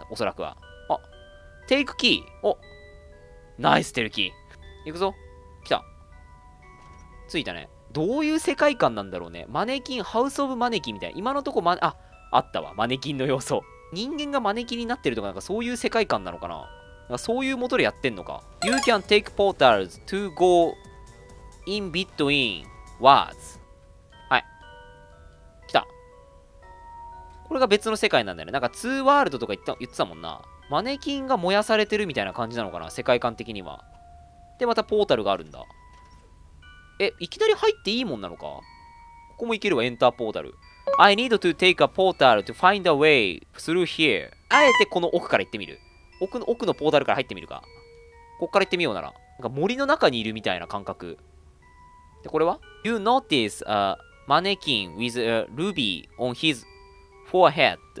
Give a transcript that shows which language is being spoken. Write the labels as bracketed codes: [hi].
[ja] おそらくは。あ、テイクキー。お、ナイステルキー。行くぞ。来た。着いたね。どういう世界観なんだろうね。マネキン、ハウスオブマネキンみたいな。今のとこ、あ、あったわ、マネキンの要素。人間がマネキンになってるとか、なんかそういう世界観なのかな。なんかそういう元でやってんのか。 [en] You can take portals to go in between worlds. [ja] はい。来た。これが別の世界なんだよね。なんか2ワールドとか言ってたもんな。マネキンが燃やされてるみたいな感じなのかな、世界観的には。で、またポータルがあるんだ。え、いきなり入っていいもんなのか。ここも行けるわ、エンターポータル。 [en] I need to take a portal to find a way through here. [ja] あえてこの奥から行ってみる。奥のポータルから入ってみるか。こっから行ってみようなら。なんか森の中にいるみたいな感覚。 [en] で、これは ?You notice a mannequin with a ruby on his forehead.